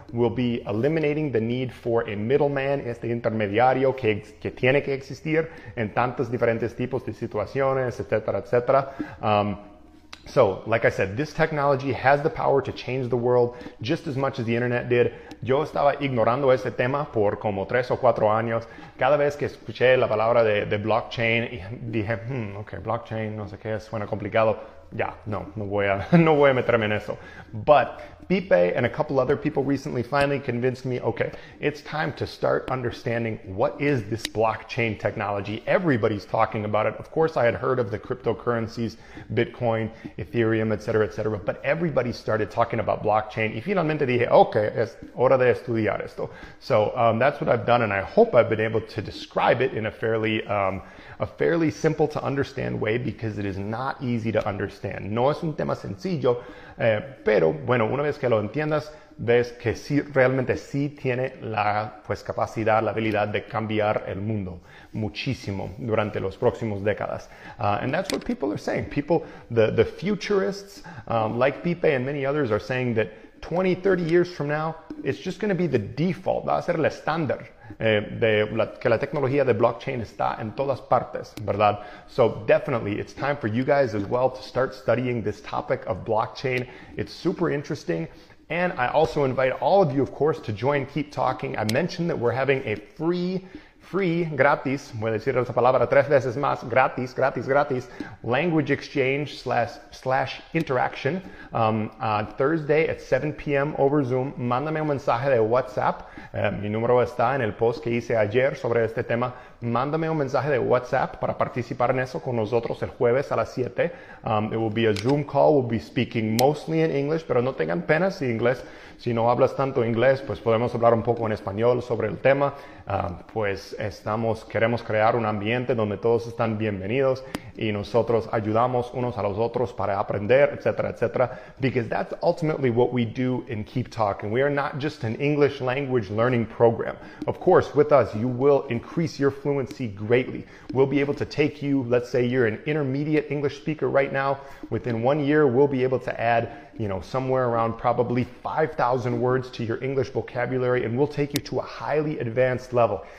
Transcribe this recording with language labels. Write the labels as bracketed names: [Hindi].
[English] We'll be eliminating the need for a middleman, [Spanish] este intermediario que tiene que existir en tantos diferentes tipos de situaciones, etcétera, etcétera. [English] So, like I said, this technology has the power to change the world just as much as the internet did. [Spanish] Yo estaba ignorando ese tema por como 3 o 4 años. Cada vez que escuché la palabra de blockchain, dije, okay, blockchain, no sé qué, suena complicado. Yeah, no voy a meterme en eso. [English] But Pipe and a couple other people recently finally convinced me, okay, it's time to start understanding what is this blockchain technology. Everybody's talking about it. Of course, I had heard of the cryptocurrencies, Bitcoin, Ethereum, et cetera, but everybody started talking about blockchain. [Spanish] Y finalmente dije, okay, es hora de estudiar esto. [English] So that's what I've done, and I hope I've been able to describe it in a fairly simple to understand way, because it is not easy to understand. [Spanish] No es un tema sencillo, pero bueno, una vez que lo entiendas, ves que sí, realmente sí tiene la pues capacidad, la habilidad de cambiar el mundo muchísimo durante los próximos décadas. [English] And that's what people are saying. People, the futurists, like Pipe and many others, are saying that 20, 30 years from now, it's just going to be the default, va a ser el estándar. [Spanish] Que la tecnología de blockchain está en todas partes, ¿verdad? [English] So definitely, it's time for you guys as well to start studying this topic of blockchain. It's super interesting. And I also invite all of you, of course, to join Keep Talking. I mentioned that we're having a free, gratis, [Spanish] voy a decir esa palabra tres veces más, gratis, [English] language exchange slash interaction, on Thursday at 7 p.m. over Zoom. [Spanish] Mándame un mensaje de WhatsApp. Mi número está en el post que hice ayer sobre este tema. mándame un mensaje de WhatsApp para participar en eso con nosotros el jueves a las 7. [English] It will be a Zoom call. We'll be speaking mostly in English, [Spanish] pero no tengan pena si inglés. Si no hablas tanto inglés, pues podemos hablar un poco en español sobre el tema. Queremos crear un ambiente donde todos están bienvenidos y nosotros ayudamos unos a los otros para aprender, etcétera, etcétera. [English] Because that's ultimately what we do in Keep Talking. We are not just an English language learning program. Of course, with us, you will increase your fluency greatly. We'll be able to take you, let's say you're an intermediate English speaker right now. Within 1 year, we'll be able to add, you know, somewhere around probably 5,000 words to your English vocabulary, and we'll take you to a highly advanced level.